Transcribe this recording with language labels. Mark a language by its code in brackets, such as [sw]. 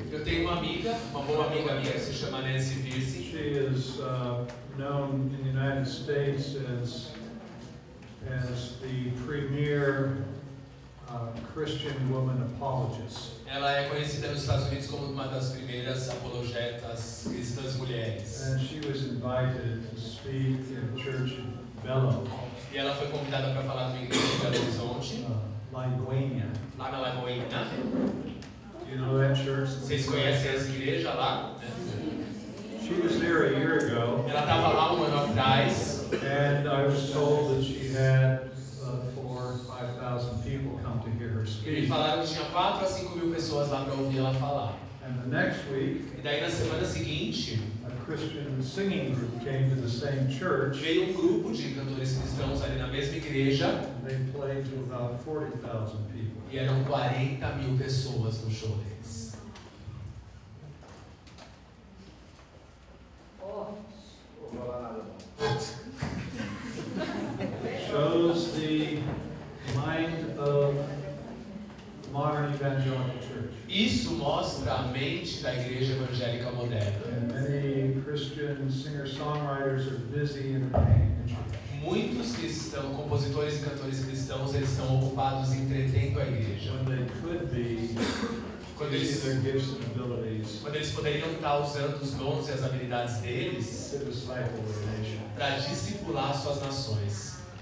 [pt] Eu tenho uma boa amiga minha que se chama Nancy Piercy. [en] She is known in the United States as the premier Christian woman apologist. [pt] Ela é conhecida nos Estados Unidos como uma das primeiras apologetas cristãs mulheres. [en] And she was invited to speak in church in Belo. [pt] E ela foi convidada para falar no Igreja de Belo Horizonte. [en] Lagoinha. [pt] Lá na Lagoinha. [en] You know that church? [pt] Vocês conhecem essa igreja lá? [en] She was there a year ago. [pt] Ela estava lá um ano atrás. [en] And I was told that she had 4,000 or 5,000 people come to hear her speak. [pt] E falaram que tinha 4,000 or 5,000 pessoas lá para ouvir ela falar. [en] And the next week. [pt] E daí na semana seguinte. [en] A Christian singing group came to the same church. [pt] Veio grupo de cantores cristãos ali na mesma igreja. [en] They played to about 40,000 people. [pt] E eram 40,000 pessoas no show deles. [en] Shows the mind of modern evangelical church. [pt] Isso mostra a mente da igreja evangélica moderna. [en] And many Christian singer-songwriters are busy entertaining the church. [pt] Muitos cristãos, compositores e cantores cristãos, eles estão ocupados entretendo a igreja. Quando eles poderiam estar usando os dons e as habilidades deles para discipular suas nações.